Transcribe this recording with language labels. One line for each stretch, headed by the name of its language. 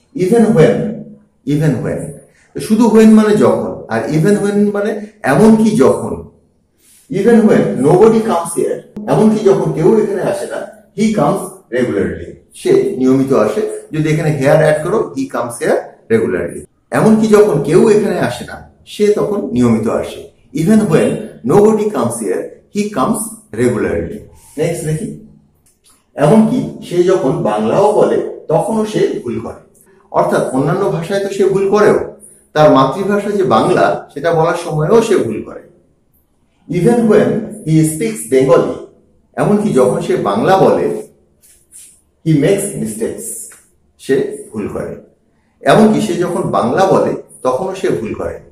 English: even when, even when,
Bangla: শুধু when মানে যখন, আর ইভেন হোয়েন মানে এমনকি যখন।
English: Even when nobody comes here,
Bangla: এমনকি যখন কেউ এখানে আসে না,
English: he comes regularly,
Bangla: সে নিয়মিত আসে। যদি এখানে here add করো,
English: he comes here regularly,
Bangla: এমনকি যখন কেউ এখানে আসে না সে তখন নিয়মিত আসে।
English: Even when nobody comes here, he comes regularly.
Bangla: Next দেখি, এমনকি সে যখন বাংলাও বলে তখনও সে ভুল করে, অর্থাৎ অন্যান্য ভাষায় তো সে ভুল করেও, তার মাতৃভাষা যে বাংলা সেটা বলার সময়ও সে ভুল করে।
English: even when he speaks Bengali,
Bangla: এমনকি যখন সে বাংলা বলে,
English: he makes mistakes,
Bangla: সে ভুল করে, এমনকি সে যখন বাংলা বলে তখনও সে ভুল করে।